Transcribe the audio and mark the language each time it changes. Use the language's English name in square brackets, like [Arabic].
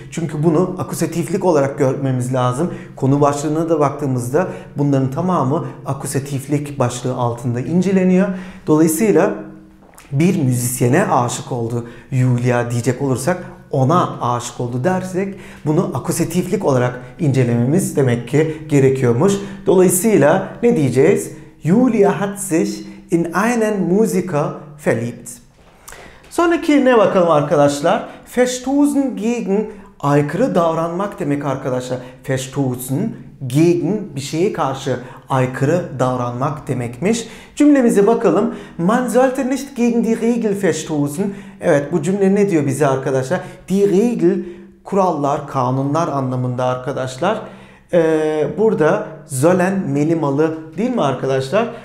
[Turkish] Çünkü bunu akusatiflik olarak görmemiz lazım. Konu başlığına da baktığımızda bunların tamamı akusatiflik başlığı altında inceleniyor. Dolayısıyla bir müzisyene aşık oldu Julia diyecek olursak, ona aşık oldu dersek bunu akusatiflik olarak incelememiz demek ki gerekiyormuş. Dolayısıyla ne diyeceğiz? [German] Julia hat sich in einen Musiker verliebt. [Turkish] Sonraki ne bakalım arkadaşlar? Verstoßen gegen, aykırı davranmak demek arkadaşlar. Verstoßen gegen, bir şeye karşı aykırı davranmak demekmiş. Cümlemize bakalım. [German] Man sollte nicht gegen die Regel verstoßen. [Turkish] Evet, bu cümle ne diyor bize arkadaşlar? Die Regel, kurallar, kanunlar anlamında arkadaşlar. Burada sollen, melimalı değil mi arkadaşlar?